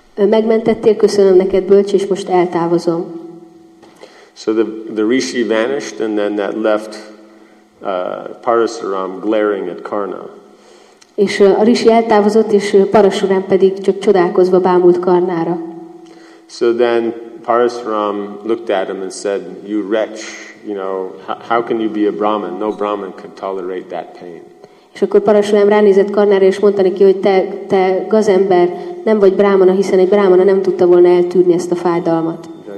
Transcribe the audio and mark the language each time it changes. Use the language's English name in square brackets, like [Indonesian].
[Hungarian] Megmentettél, köszönöm neked, bölcs, és most eltávozom. [English] So the rishi vanished, and then that left Parasuram glaring at Karna. [Hungarian] És a rishi eltávozott, és Parasuram pedig csak csodálkozva bámult Karnára. [English] So then Parasuram looked at him and said, "You wretch, you know, how can you be a Brahmin? No Brahmin can tolerate that pain. [Hungarian] És akkor Parashuram ránézett Karnára, és mondta neki, hogy te gazember, nem vagy brámana, hiszen egy brámana nem tudta volna eltűrni ezt a fájdalmat.